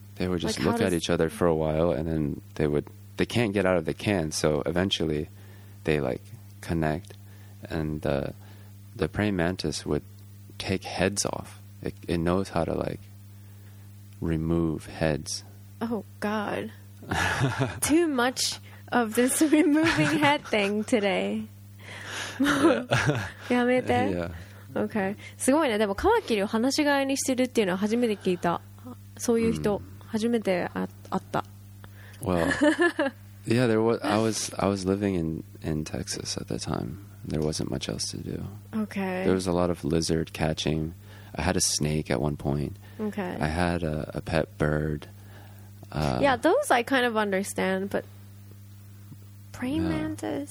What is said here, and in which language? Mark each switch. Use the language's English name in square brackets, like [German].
[English] They would just like, look at each other for a while and then they can't get out of the can, so eventually they like connect and the praying mantis would take heads off. It knows how to like remove heads. Oh god. Too much of this removing head thing today. [Japanese] やめて。 [English] Yeah. Okay. [Japanese] すごいね。でもカマキリを放し飼いにしてるっていうのは初めて聞いた。そういう人、初めて会った。 [English] Well, yeah, there was. I was living in Texas at the time. There wasn't much else to do. Okay. There was a lot of lizard catching. I had a snake at one point. Okay. I had a pet bird. Yeah, those I kind of understand, but praying mantis.